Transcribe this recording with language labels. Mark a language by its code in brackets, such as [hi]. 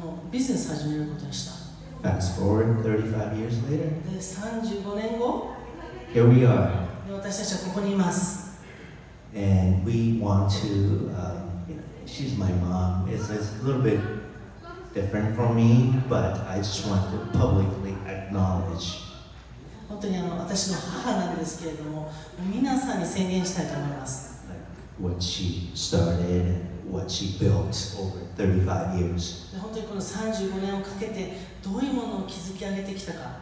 [ja] ビジネス始めることにした。 [en] Fast forward 35 years later. [ja] で、35年後。 [en] Here we are. [ja] で、私たちはここにいます。 [en] And we want to, she's my mom. It's a little bit different from me, but I just want to publicly acknowledge. [ja] 本当に私の母なんですけれども、皆さんに宣言したいと思います。 [en] Like what she started. What she built over 35 years. [ja] 本当にこの35年をかけてどういうものを築き上げてきたか。